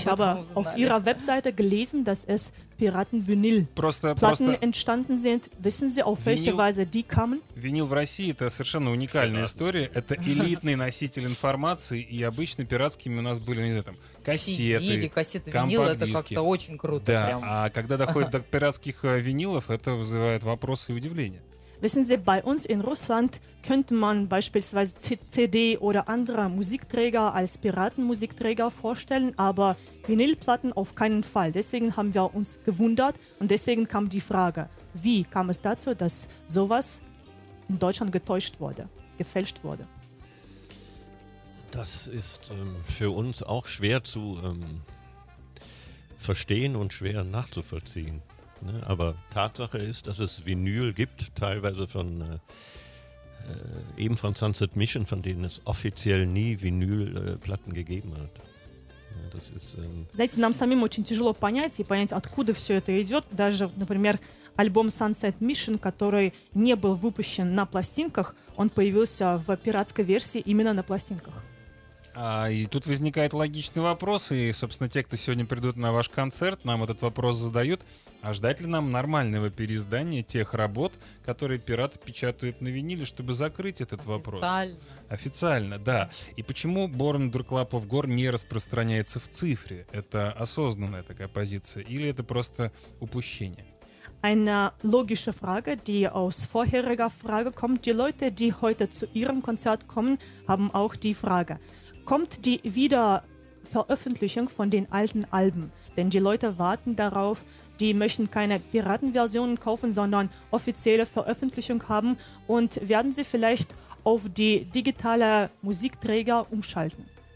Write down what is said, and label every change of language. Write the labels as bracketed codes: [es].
[de] Ich habe auf ihrer Webseite gelesen, dass es Piraten-Vinyl-Platten entstanden sind. Wissen Sie, auf welche Weise die kamen? [ru] Винил в России — это совершенно уникальная история. Это элитный носитель информации, и обычно пиратскими у нас были, не знаю, там, кассеты, Винил — это как-то очень круто. Да, прям. А когда доходит до пиратских винилов, это вызывает вопросы и удивление. [de] Wissen Sie, bei uns in Russland könnte man beispielsweise CD oder andere Musikträger als Piratenmusikträger vorstellen, aber Vinylplatten auf keinen Fall. Deswegen haben wir uns gewundert und deswegen kam die Frage, wie kam es dazu, dass sowas in Deutschland getäuscht wurde, gefälscht wurde? Das ist für uns auch schwer zu verstehen und schwer nachzuvollziehen. Ne, aber Tatsache ist, dass es Vinyl gibt, teilweise von eben von Sunset Mission, von denen es offiziell nie Vinylplatten gegeben hat. Ja, das ist, [ru] знаете, нам самим очень тяжело понять и понять, откуда все это идет. Даже, например, альбом Sunset Mission, который не был выпущен на пластинках, он появился в пиратской версии именно на пластинках. И тут возникает логичный вопрос, и, собственно, те, кто сегодня придут на ваш концерт, нам этот вопрос задают. А ждать ли нам нормального переиздания тех работ, которые пираты печатают на виниле, чтобы закрыть этот вопрос? Официально, да. И почему Born Under Club of Gore не распространяется в цифре? Это осознанная такая позиция, или это просто упущение? [de] Eine logische Frage, die aus vorheriger Frage kommt. Die Leute, die heute zu ihrem Konzert kommen, haben auch die Frage. Kommt die Wiederveröffentlichung von den alten Alben? Denn die Leute warten darauf, die möchten keine Piratenversionen kaufen, sondern offizielle Veröffentlichung haben und werden sie vielleicht auf die digitale Musikträger umschalten?